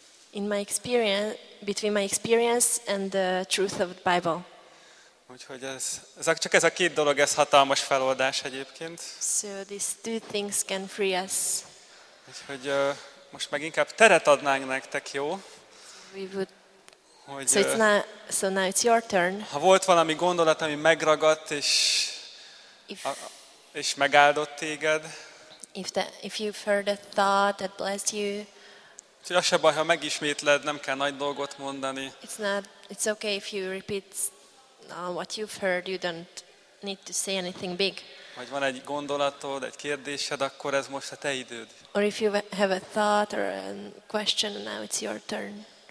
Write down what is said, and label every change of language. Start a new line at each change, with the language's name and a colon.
English: In my experience, between my experience and the truth of the Bible.
Hungarian: Úgyhogy ez a két dolog, ez hatalmas feloldás egyébként.
English: So these two things can free us.
Hungarian: Úgyhogy most meg inkább teret adnánk nektek, jó?
English: So now it's your turn.
Hungarian: Ha volt valami gondolat, ami megragadt és megáldott téged.
English: If you've heard a thought that blessed you.
Hungarian: Úgyhogy az se baj, ha megismétled, nem kell nagy dolgot mondani.
English: It's okay if you repeat what you've heard, you don't need to say anything big.
Hungarian: Vagy van egy gondolatod, egy kérdésed, akkor ez most a te időd.
English: Or if you have a thought or a question, now it's your turn.